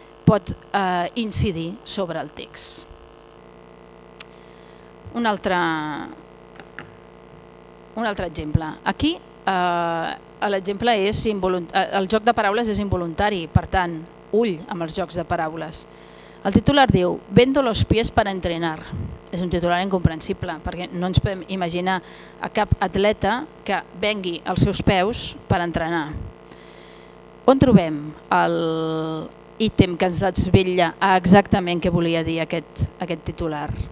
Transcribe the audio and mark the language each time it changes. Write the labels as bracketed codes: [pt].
[ca] pot incidir sobre el text. Un altre exemple. Aquí l'exemple és el joc de paraules és involuntari, per tant, ull amb els jocs de paraules. El titular diu, [es] vendo los pies para entrenar. [ca] És un titular incomprensible, perquè no ens podem imaginar a cap atleta que vengui els seus peus per entrenar. On trobem l'ítem que ens desvetlla exactament què volia dir aquest titular?